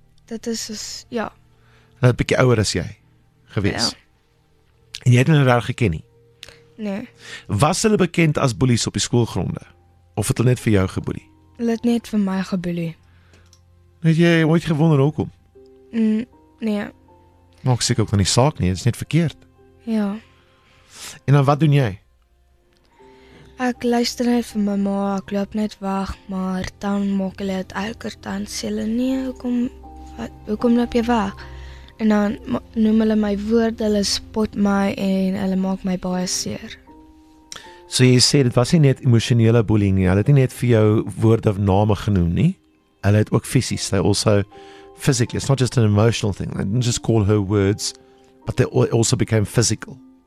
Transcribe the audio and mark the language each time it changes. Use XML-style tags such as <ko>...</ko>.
<af>Dit is, soos, ja. Hulle het 'n bietjie ouer as jy gewees. Ja. En jy het hulle daar geken nie? Nee. Was hulle bekend as boelies op die skoolgronde? Of het hulle net vir jou geboelie? Hulle het net vir my geboelie. Het jy ooit gewonder hoekom? Nee. Maak seker ook van die saak nie, het is net verkeerd. Ja. En dan wat doen jy? Ek luister net vir my ma, ek loop net weg, maar dan maak hulle het elker dan sê hulle nie, hoekom loop jy weg? En dan noem hulle my woorde, hulle spot my en hulle maak my baie seer. So jy sê, dit was nie net emotionele bullying nie, hulle het nie net vir jou woorde of name genoem nie. Hulle het ook fisies,</af> <en>they also physically, it's not just an emotional thing, they didn't just call her words, but they also became physical.</en>